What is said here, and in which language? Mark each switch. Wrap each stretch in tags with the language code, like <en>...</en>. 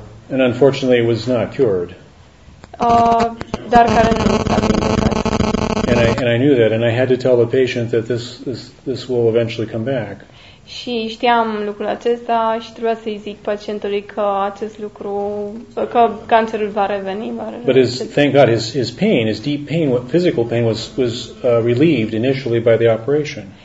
<en>And unfortunately it was not cured.</en> <ro>Dar care nu s-a vindecat.</ro> <en>And I knew that, and I had to tell the patient that this will eventually come back.</en> <ro>Și știam lucrul acesta și trebuia să-i zic pacientului că acest lucru, că cancerul va reveni.</ro> <en>But thank God, his pain, his deep pain, physical pain was relieved initially by the operation.</en>